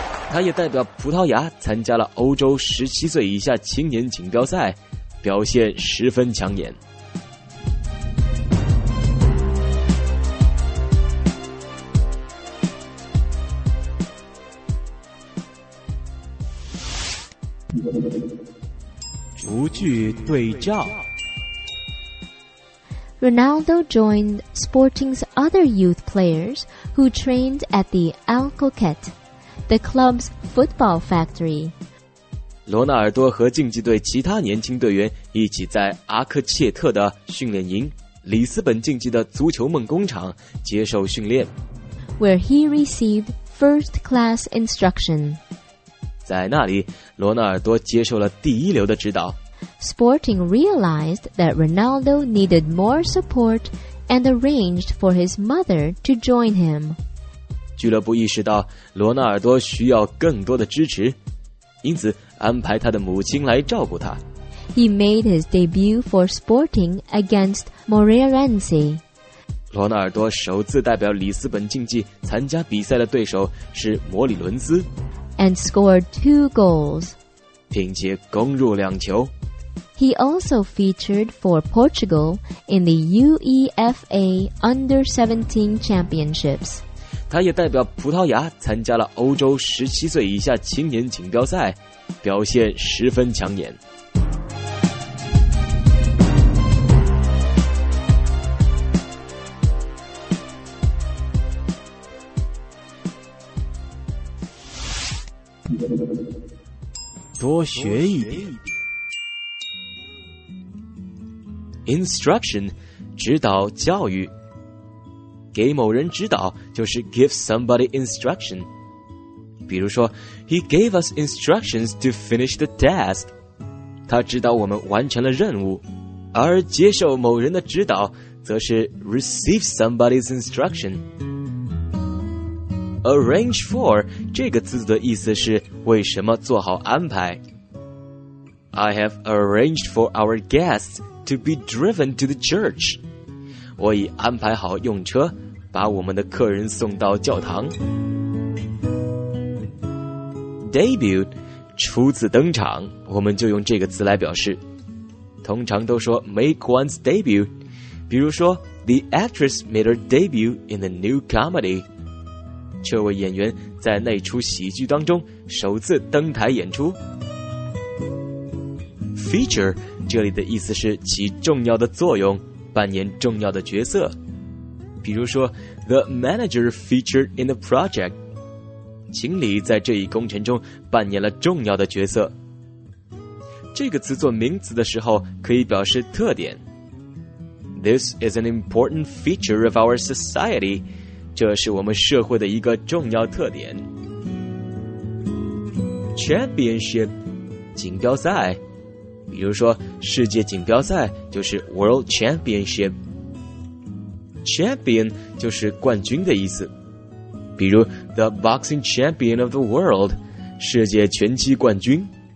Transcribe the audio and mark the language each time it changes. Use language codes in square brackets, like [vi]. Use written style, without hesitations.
[zh] 他也代表葡萄牙参加了欧洲17岁以下青年锦标赛表现十分抢眼逐句对照 [en] Ronaldo joined Sporting's other youth players who trained at the Alcoquet, the club's football factory. [zh] 罗纳尔多和竞技队其他年轻队员一起在阿克切特的训练营里斯本竞技的足球梦工厂接受训练 [en] where he received first-class instruction. [zh] 在那里罗纳尔多接受了第一流的指导 [en] Sporting realized that Ronaldo needed more support and arranged for his mother to join him [zh] 俱乐部意识到罗纳尔多需要更多的支持因此安排他的母亲来照顾他 [en] He made his debut for Sporting against Moreirense [zh] 罗纳尔多首次代表里斯本竞技参加比赛的对手是摩里伦斯 [en] And scored 2 goals. [zh] 并且攻入两球。 [en] He also featured for Portugal in the UEFA Under-17 Championships. [zh] 他也代表葡萄牙参加了欧洲17岁以下青年锦标赛，表现十分抢眼。多学一点 Instruction 指导教育给某人指导就是 [en] give somebody instruction [zh] 比如说 [en] He gave us instructions to finish the task [zh] 他指导我们完成了任务而接受某人的指导则是 [en] receive somebody's instruction [zh] arrange for 这个字的意思是为什么做好安排。 [en] I have arranged for our guests to be driven to the church. [zh] 我已安排好用车把我们的客人送到教堂。 Debut, 初次登场，我们就用这个词来表示。通常都说 [en] make one's debut, [zh] 比如说 [en] The actress made her debut in the new comedy. [zh] 这位演员在那出喜剧当中首次登台演出。 Feature, 这里的意思是起重要的作用，扮演重要的角色。比如说 [en] The manager featured in the project. [zh] 经理在这一工程中扮演了重要的角色。这个词做名词的时候可以表示特点。 [en] This is an important feature of our society. [zh] 这是我们社会的一个重要特点。 Championship, 锦标赛。比如说世界锦标赛就是 World Championship。 Champion 就是冠军的意思，比如 [en] The Boxing Champion of the World [zh] 世界拳击冠军。